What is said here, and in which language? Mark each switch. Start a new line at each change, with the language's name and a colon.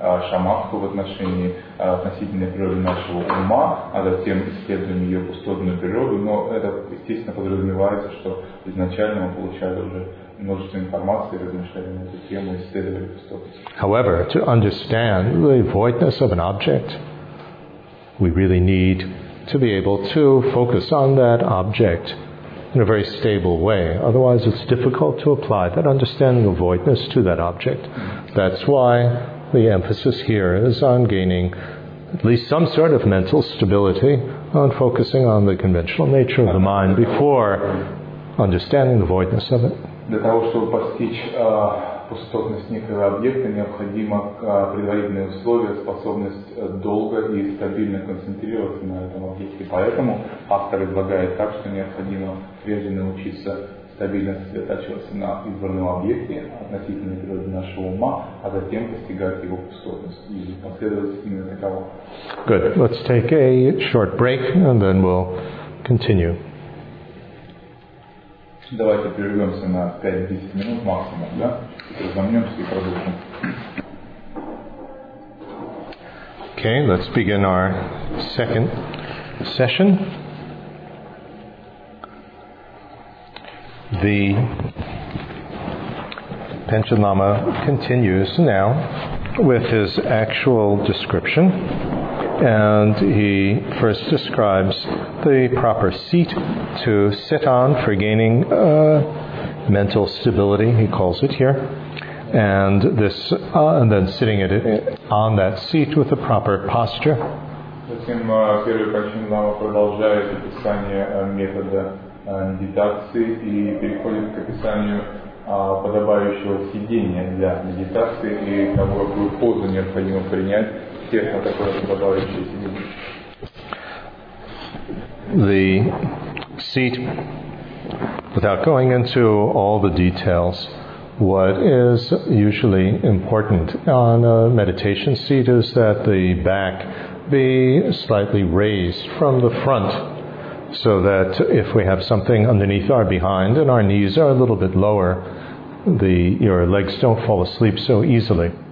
Russian: Шамаху в отношении относительной природы нашего ума, а затем исследуем ее пустотную природу, но это, естественно, подразумевается, что изначально мы получали уже множество информации, размышляли на эту тему, исследовали пустотность.
English: However, to understand the voidness of an object, we really need to be able to focus on that object in a very stable way. Otherwise, it's difficult to apply that understanding of voidness to that object. That's why the emphasis here is on gaining at least some sort of mental stability, on focusing on the conventional nature of the mind before understanding the voidness of it.
Russian: Для того, чтобы постичь пустотность некого объекта, необходимо предварительные условия, способность долго и стабильно концентрироваться на этом объекте. Поэтому автор предлагает так, что необходимо прежде научиться стабильно сосредотачиваться на избранном объекте относительно природы нашего ума, а затем постигать его пустотность и последовательность именно такого.
English: Good. Let's take a short break and then we'll continue.
Russian: Давайте прервемся на 5-10 минут максимум, да? Разомнемся и продолжим.
English: Okay, let's begin our second session. The Panchen Lama continues now with his actual description, and he first describes the proper seat to sit on for gaining mental stability, he calls it here, and this, and then sitting at it, on that seat with the proper posture.
Russian: Затем первый Панчен Лама продолжает описание метода медитации и переходит к описанию подобающего сидения для медитации и того, какую позу необходимо принять тех, на такое подобающее сидение.
English: The seat, without going into all the details, what is usually important on a meditation seat is that the back be slightly raised from the front, so that if we have something underneath our behind and our knees are a little bit lower, your legs don't fall asleep so easily.